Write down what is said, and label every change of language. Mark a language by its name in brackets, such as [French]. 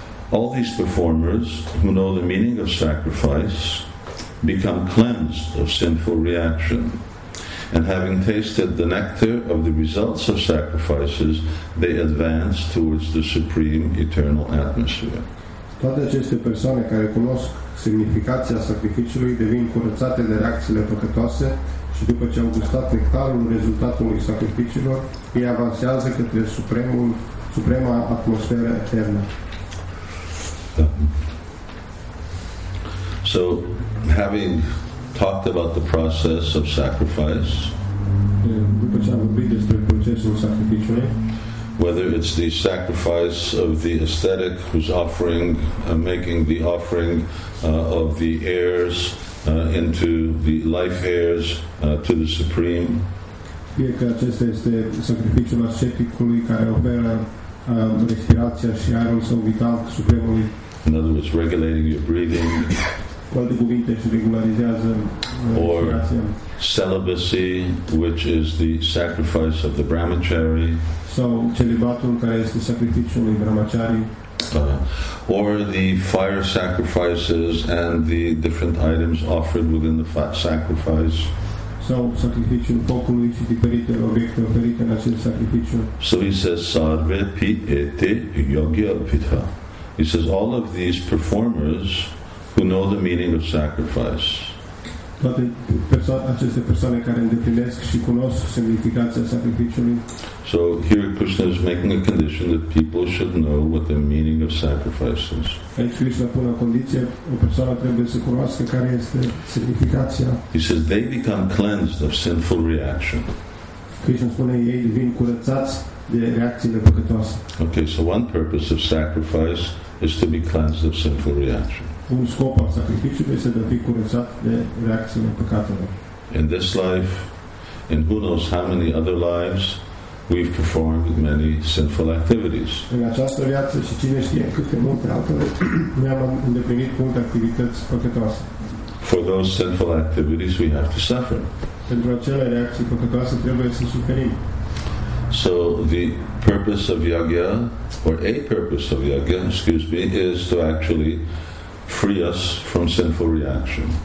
[English] All these performers who know the meaning of sacrifice become cleansed of sinful reaction, and having tasted the nectar of the results of sacrifices, they advance towards the supreme eternal atmosphere. [Romanian] Toate aceste persoane care cunosc semnificația sacrificiului devin curățate de reacțiile păcătoase și după ce au gustat nectarul rezultatului sacrificiilor, ei avansează către suprema atmosferă eternă. [English] So, having talked about the process of sacrifice, [Romanian] după ce am vorbit despre procesul sacrificiului, [English] whether it's the sacrifice of the ascetic who's offering, making the offering of the heirs into the life heirs to the Supreme. [Romanian] Fie că acesta este sacrificiul asceticului care oferă respirația și aerul său vital Supremului. [English] In other words, regulating your breathing. [Romanian] Cu alte cuvinte, se regularizează respirația. [English] Celibacy, which is the sacrifice of the brahmachari, [Romanian] sau celibatul care este sacrificiul lui brahmachari, [English] or the fire sacrifices and the different items offered within the sacrifice, [Romanian] sau sacrificiul focului și diferite obiecte oferite în acest sacrificiu. [English] So he says, [Sanskrit] sarve pi ete yogya vidha. [English] He says, all of these performers who know the meaning of sacrifice, [Romanian] toate aceste persoane care îndeplinesc și cunosc semnificația sacrificiului. [English] So here Krishna is making a condition that people should know what the meaning of sacrifice is. [Romanian] Aici Krishna pune o condiție, o persoană trebuie să cunoască care este semnificația. [English] He says they become cleansed of sinful reaction. [Romanian] Krishna spune, ei devin curățați de reacțiile păcătoase. [English] Okay, so one purpose of sacrifice is to be cleansed of sinful reaction. [Romanian] Un scop al sacrificiului este de a fi curățat de reacțiile păcatelor. [English] In this life, in who knows how many other lives, we've performed many sinful activities. [Romanian] În această viață și cine știe câte multe altele, ne-am îndeplinit multe activități păcătoase. [English] For those sinful activities, we have to suffer. [Romanian] Pentru acele reacții păcătoase trebuie să suferim. [English] So the purpose of yagya, or a purpose of yagya, excuse me, is to actually free us from sinful reaction.